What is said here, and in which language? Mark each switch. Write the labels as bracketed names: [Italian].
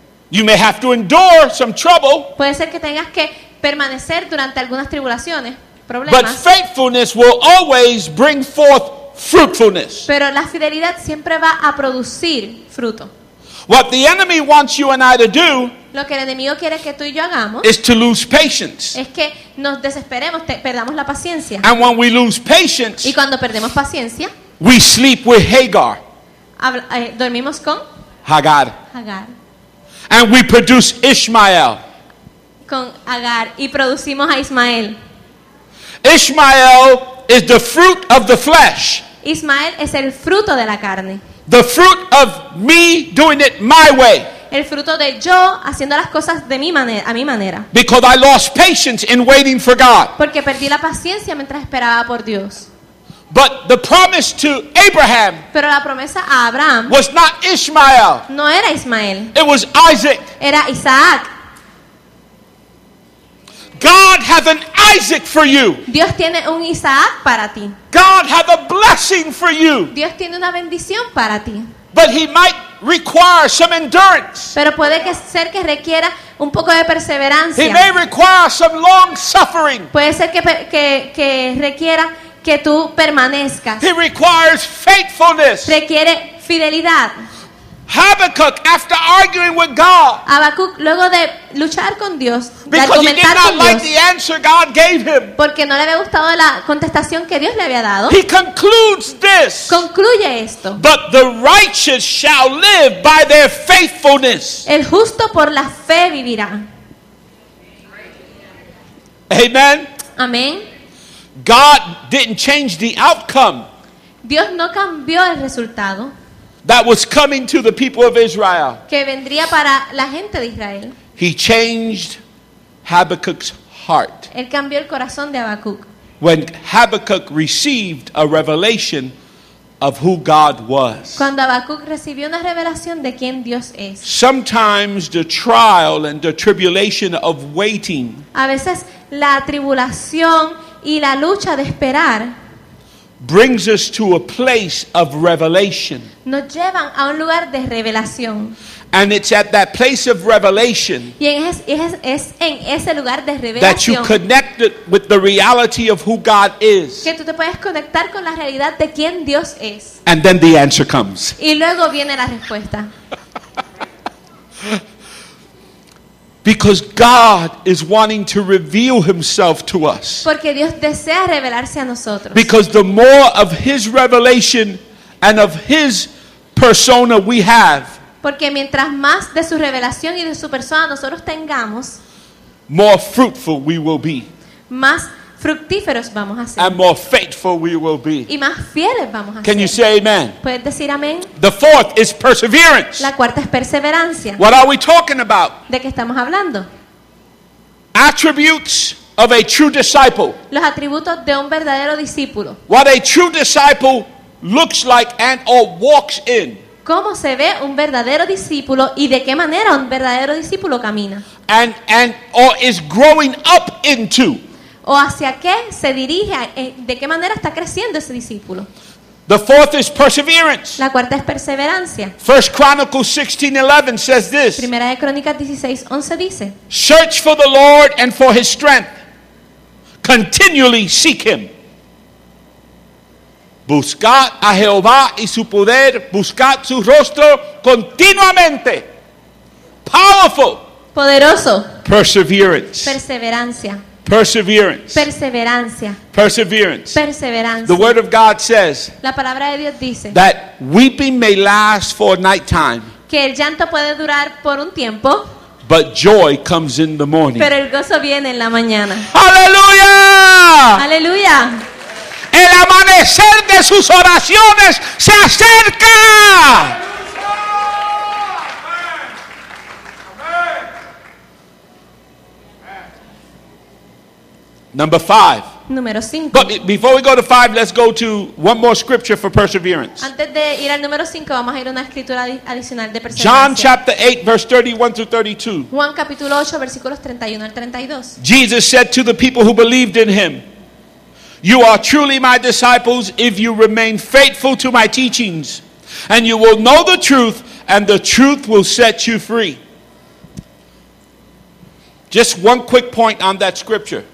[English] You may have to endure some trouble. [Spanish] Puede ser que tengas que permanecer durante algunas tribulaciones, problemas. [English] But faithfulness will always bring forth fruitfulness. [Spanish] Pero la fidelidad siempre va a producir fruto. [English] What the enemy wants you and I to do, [Spanish] lo que el enemigo quiere que tú y yo hagamos, [English] is to lose patience. [Spanish] Es que nos desesperemos, perdamos la paciencia. [English] And when we lose patience, [Spanish] y cuando perdemos paciencia, [English] we sleep with Hagar. [Spanish] Dormimos con Hagar. Hagar. [English] And we produce Ishmael. [Spanish] Con Agar y producimos a Ismael. [English] Ishmael is the fruit of the flesh. [Spanish] Ismael es el fruto de la carne. [English] The fruit of me doing it my way. [Spanish] El fruto de yo haciendo las cosas de mi manera, a mi manera. [English] Because I lost patience in waiting for God. [Spanish] Porque perdí la paciencia mientras esperaba por Dios. [English] But the promise to Abraham, [Spanish] pero la promesa a Abraham [English] was not Ishmael. [Spanish] No era Ismael. [English] It was Isaac. [Spanish] Era Isaac. [English] God has an Isaac for you. [Spanish] Dios tiene un Isaac para ti. [English] God has a blessing for you. [Spanish] Dios tiene una bendición para ti. [English] But he might require some endurance. [Spanish] Pero puede que ser que requiera un poco de perseverancia. [English] He may require some long suffering. [Spanish] Puede ser que requiera que tú permanezcas. [English] He requires faithfulness. [Spanish] Requiere fidelidad. [English] Habacuc, after arguing with God. [Spanish] Habacuc, luego de luchar con Dios, [English] because he did not like the answer God gave him. [Spanish] Porque no le había gustado la contestación que Dios le había dado. [English] He concludes this. [Spanish] Concluye esto. [English] But the righteous shall live by their faithfulness. [Spanish] El justo por la fe vivirá. [English] Amen. [Spanish] Amén. [English] God didn't change the outcome. [Spanish] Dios no cambió el resultado. [English] That was coming to the people of Israel. [Spanish] Que vendría para la gente de Israel. [English] He changed Habakkuk's heart. [Spanish] Él cambió el corazón de Habacuc. [English] When Habakkuk received a revelation of who God was. [Spanish] Cuando Habacuc recibió una revelación de quién Dios es. [English] Sometimes the trial and the tribulation of waiting. [Spanish] A veces la tribulación y la lucha de esperar [English] brings us to a place of revelation. [Spanish] Nos llevan a un lugar de revelación. [English] And it's at that place of revelation. [Spanish] Y es en ese lugar de revelación. [English] That you connect with the reality of who God is. [Spanish] Que tú te puedes conectar con la realidad de quién Dios es. [English] And then the answer comes. [Spanish] Y luego viene la respuesta. [English] Because God is wanting to reveal himself to us. [Spanish] Porque Dios desea revelarse a nosotros. [English] Because the more of his revelation and of his persona we have. [Spanish] Porque mientras más de su revelación y de su persona nosotros tengamos, [English] more fruitful we will be. [Spanish] Más fructíferos vamos a ser. [English] And more faithful we will be. [Spanish] Y más fieles vamos a [English] Can [Spanish] ser. [English] You say amen? [Spanish] ¿Puedes decir amén? [English] The fourth is perseverance. [Spanish] La cuarta es perseverancia. [English] What are we talking about? [Spanish] ¿De qué estamos hablando? [English] Attributes of a true disciple. [Spanish] Los atributos de un verdadero discípulo. [English] What a true disciple looks like and or walks in. [Spanish] ¿Cómo se ve un verdadero discípulo y de qué manera un verdadero discípulo camina? [English] And or is growing up into. [Spanish] ¿O hacia qué se dirige? ¿De qué manera está creciendo ese discípulo? [English] The fourth is perseverance. [Spanish] La cuarta es perseverancia. [English] 1 Chronicles 16:11 says this. [Spanish] Primera de Crónicas 16:11 dice. [English] Search for the Lord and for his strength. Continually seek him. [Spanish] Buscad a Jehová y su poder, buscad su rostro continuamente. [English] Powerful. [Spanish] Poderoso. [English] Perseverance. [Spanish] Perseverancia. [English] Perseverance. [Spanish] Perseverancia. [English] Perseverance. [Spanish] Perseverancia. [English] The word of God says. [Spanish] La palabra de Dios dice. [English] That weeping may last for a night time. [Spanish] Que el llanto puede durar por un tiempo. [English] But joy comes in the morning. [Spanish] Pero el gozo viene en la mañana. Aleluya. Aleluya. El amanecer de sus oraciones se acerca. [English] Number 5. [Spanish] Número 5. [English] But before we go to 5, let's go to one more scripture for perseverance. [Spanish] Antes de ir al número 5, vamos a ir a una escritura adicional de perseverancia. [English] John chapter 8 verse 31 through 32. [Spanish] Juan capítulo 8 versículos 31 al 32. [English] Jesus said to the people who believed in him, "You are truly my disciples if you remain faithful to my teachings, and you will know the truth, and the truth will set you free." Just one quick point on that scripture.